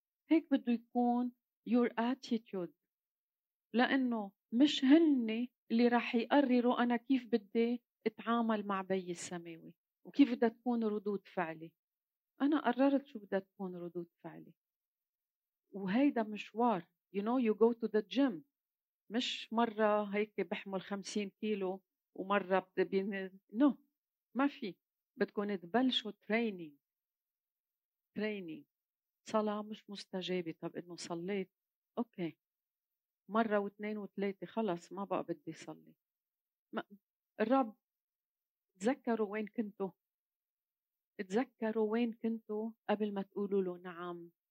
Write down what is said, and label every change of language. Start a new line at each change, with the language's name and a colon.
Arabic: هيك بده يكون
English: your attitude،
Arabic: لأنه مش هني اللي راح يقرروا أنا كيف بدي اتعامل مع بي السماوي وكيف بدها تكون ردود فعلي. أنا قررت شو بدها تكون ردود فعلي، وهيدا مشوار.
English: You know you go to the gym،
Arabic: مش مرة هيك بحمل 50 كيلو ومرة
English: no.
Arabic: ما في، بتكون تبلشوا training. صلاة مش مستجابة، طب إنه صليت أوكي مرة واثنين وثلاثة خلص ما بقى بدي صلي. الرب تذكروا وين كنتوا، تذكروا وين كنتوا قبل ما تقولوا له نعم.